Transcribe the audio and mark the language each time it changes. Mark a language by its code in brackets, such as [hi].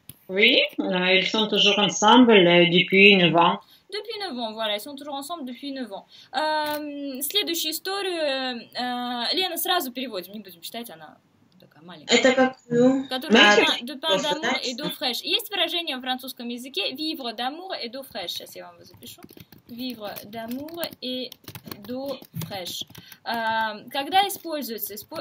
[fr] Oui, ils sont toujours ensemble depuis 9 ans. Depuis 9 ans, voilà, ils sont toujours ensemble depuis 9 ans. [ru] Следующую историю, Лена, сразу переводим, не будем читать, она такая маленькая. Это как... [fr] De pain d'amour et d'eau fraîche. [ru] Есть выражение в французском языке [fr] vivre d'amour et d'eau fraîche. [ru] Сейчас я вам его запишу. [fr] Vivre d'amour et d'eau fraîche. [ru] Когда используется...